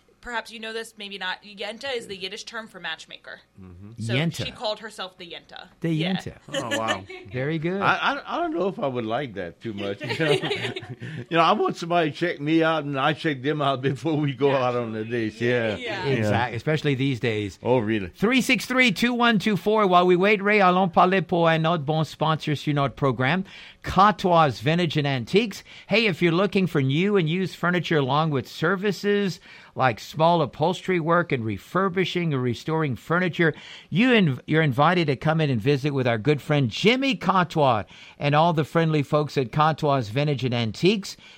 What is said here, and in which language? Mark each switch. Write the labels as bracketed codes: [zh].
[en] perhaps you know this, maybe not. Yenta is the Yiddish term for matchmaker. Mm-hmm. Yenta. So she called herself the Yenta. The Yenta. Yeah. Oh, wow. Very good. I don't know if I would like that too much. You know, you know, I want somebody to check me out, and I check them out before we go out on the dates. Yeah. Exactly. Especially these days. Oh, really? 363-2124. While we wait, [fr] Ray, allons parler pour un autre bon sponsor sur notre programme. [en] Catois Vintage and Antiques. Hey, if you're looking for new and used furniture along with services like small upholstery work and refurbishing or restoring furniture, you're invited to come in and visit with our good friend Jimmy Catois and all the friendly folks at Catois Vintage and Antiques.